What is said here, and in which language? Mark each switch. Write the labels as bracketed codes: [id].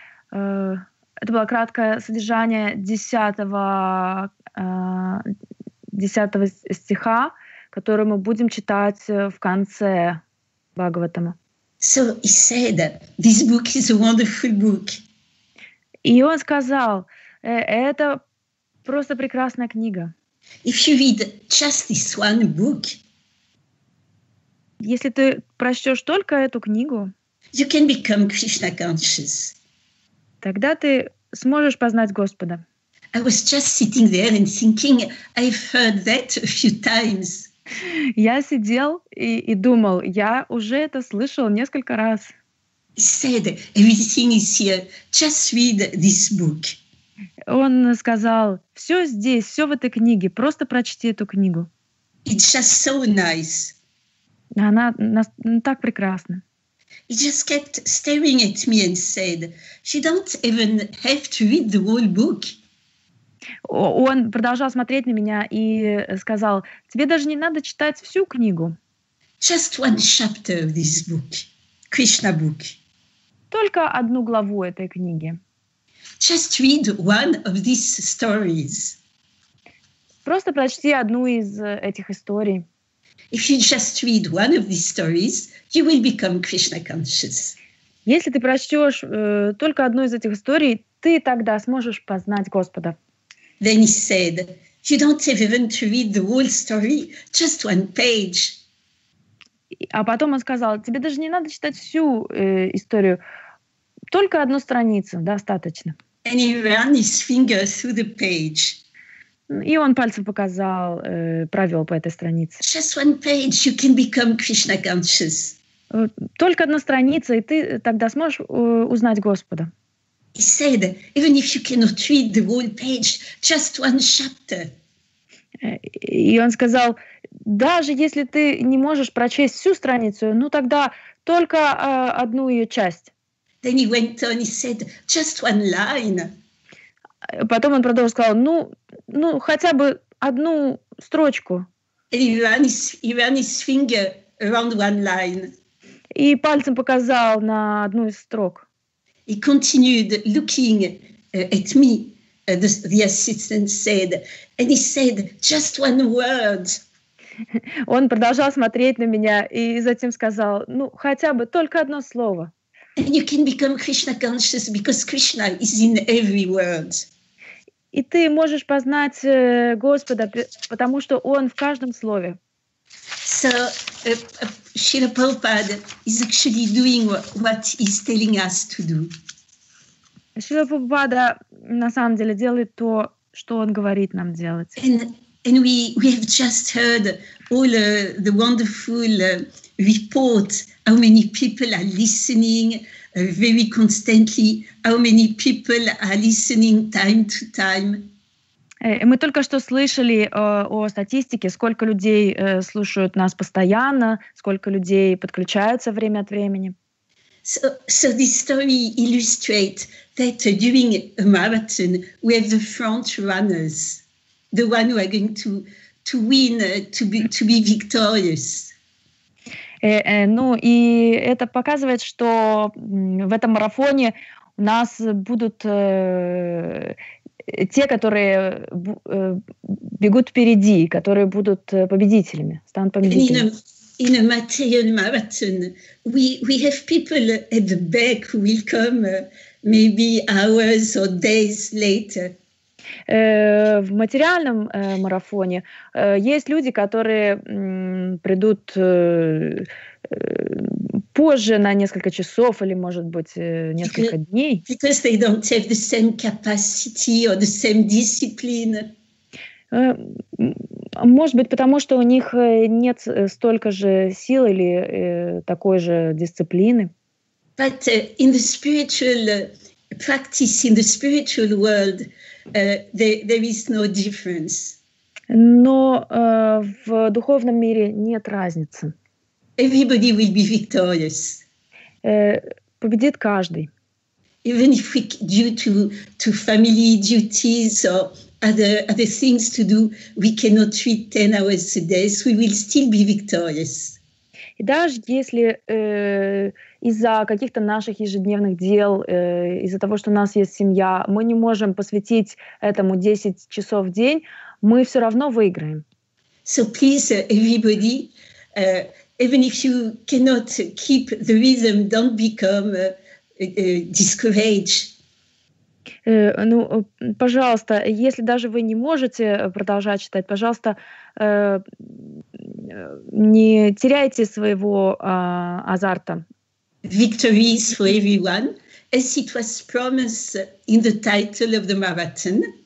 [ru] Это было краткое содержание 10-го стиха, которую мы будем читать в конце Бхагаватама. [en] So he said, this book is a wonderful book. [ru] И он сказал, это просто прекрасная книга. [en] If you read just this one book, [ru] если ты прочтешь только эту книгу, [en] you can become Krishna conscious. [ru] Тогда ты сможешь познать Господа. [en] I was just sitting there and thinking, I've heard that a few times. [ru] Я сидел и думал, я уже это слышал несколько раз. [en] He said, everything is here, just read this book. [ru] Он сказал, все здесь, все в этой книге, просто прочти эту книгу. [en] It's just so nice. [ru] Она так прекрасна. [en] He just kept staring at me and said, she don't even have to read the whole book. [ru] Он продолжал смотреть на меня и сказал, тебе даже не надо читать всю книгу. [en] Just one chapter of this book, Krishna book. [ru] Только одну главу этой книги. [en] Just read one of these stories. [ru] Просто прочти одну из этих историй. [en] If you just read one of these stories, you will become Krishna conscious. [ru] Если ты прочтешь только одну из этих историй, ты тогда сможешь познать Господа. [en] Then he said, "You don't even to read the whole story, just one page." [ru] А потом он сказал, тебе даже не надо читать всю историю, только одну страницу достаточно. [en] And he ran his finger through the page. [ru] И он пальцем показал, провел по этой странице. [en] Just one page, you can become Krishna conscious. [ru] Только одна страница, и ты тогда сможешь узнать Господа. [en] He said, even if you cannot read the whole page, just one chapter. [ru] И он сказал, даже если ты не можешь прочесть всю страницу, ну тогда только одну ее часть. [en] Then he went on, he said, just one line. [ru] Потом он продолжил, сказал, ну хотя бы одну строчку. [en] And he ran his finger around one line. [ru] И пальцем показал на одну из строк. [en] He continued looking at me, the assistant said, and he said, just one word. [ru] Он продолжал смотреть на меня и затем сказал, ну, хотя бы только одно слово. [en] And you can become Krishna conscious because Krishna is in every word. [ru] И ты можешь познать Господа, потому что Он в каждом слове. [en] So, Srila Prabhupada is actually doing what he's telling us to do. [ru] Srila Prabhupada на самом деле делает то, что он говорит нам делать. [en] And we have just heard all the wonderful report, how many people are listening very constantly, how many people are listening time to time. [ru] Мы только что слышали о статистике, сколько людей слушают нас постоянно, сколько людей подключаются время от времени. [en] So this story illustrates that during a marathon we have the front runners, the one who are going to win, to be victorious. [ru] Ну и это показывает, что в этом марафоне у нас будут те, которые бегут впереди, которые будут победителями, станут победителями. [en] In a material marathon, we have people at the back who will come maybe hours or days later. [ru] В материальном марафоне есть люди, которые придут позже на несколько часов или, может быть, несколько дней. [en] Because they don't have the same capacity or the same discipline. [ru] Может быть, потому что у них нет столько же сил или такой же дисциплины. [en] But in the spiritual practice, in the spiritual world, there is no difference. [ru] Но в духовном мире нет разницы. [en] Everybody will be victorious. [ru] Победит каждый. [en] Even if we, due to family duties or other things to do, we cannot read 10 hours a day, so we will still be victorious. [ru] И даже если из-за каких-то наших ежедневных дел, из-за того, что у нас есть семья, мы не можем посвятить этому 10 часов в день, мы все равно выиграем. [en] So please, everybody, even if you cannot keep the rhythm, don't become discouraged. [ru] Ну, пожалуйста, если даже вы не можете продолжать читать, пожалуйста, не теряйте своего азарта. [en] Victory is for everyone, as it was promised in the title of the marathon.